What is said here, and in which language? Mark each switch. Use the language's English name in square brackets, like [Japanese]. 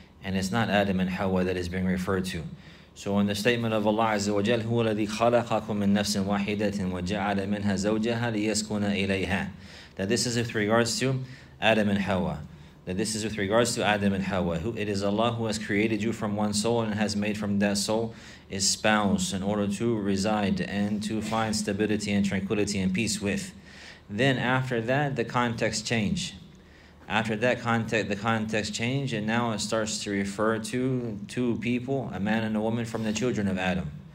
[English] And it's not Adam and Hawa that is being referred to. So in the statement of Allah Azza wa Jal, [Arabic] هو الذي خلقكم من نفس واحدة وجعل منها زوجها ليسكن إليها. [English] That this is with regards to Adam and Hawa. It is Allah who has created you from one soul and has made from that soul a spouse in order to reside and to find stability and tranquility and peace with. Then after that, the context changed. After that context, the context changed, and now it starts to refer to two people, a man and a woman, from the children of Adam.